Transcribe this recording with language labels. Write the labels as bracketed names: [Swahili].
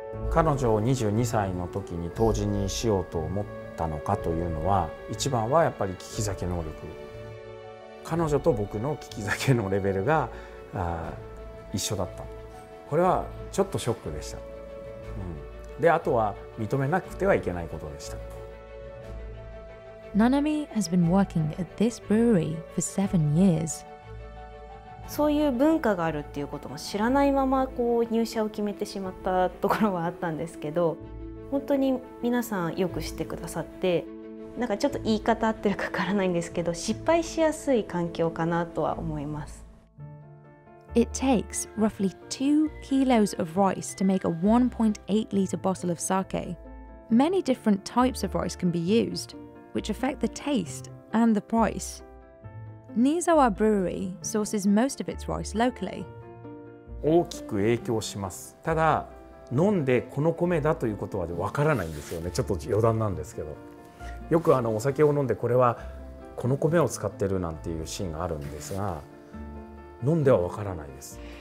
[Japanese] 彼女を22歳の時に杜氏にしようと思ったのかというのは、一番はやっぱり聞き酒能力。彼女と僕の聞き酒のレベルが一緒だった。これはちょっとショックでした。で、あとは認めなくてはいけないことでした。 [English] Nanami has been working at this brewery for 7 years. [Japanese] そういう文化があるっていうことも知らないまま、こう入社を決めてしまったところはあったんですけど、本当に皆さんよくしてくださって、なんかちょっと言い方合ってるかわからないんですけど、失敗しやすい環境かなとは思います。 [English] It takes roughly 2 kilos of rice to make a 1.8 liter bottle of sake. Many different types of rice can be used, which affect the taste and the priceNizawa Brewery sources most of its rice locally. [Japanese] 大きく影響します。ただ、飲んでこの米だということは分からないんですよね。ちょっと余談なんですけど。よくお酒を飲んで、これはこの米を使ってるなんていうシーンがあるんですが、飲んでは分からないです。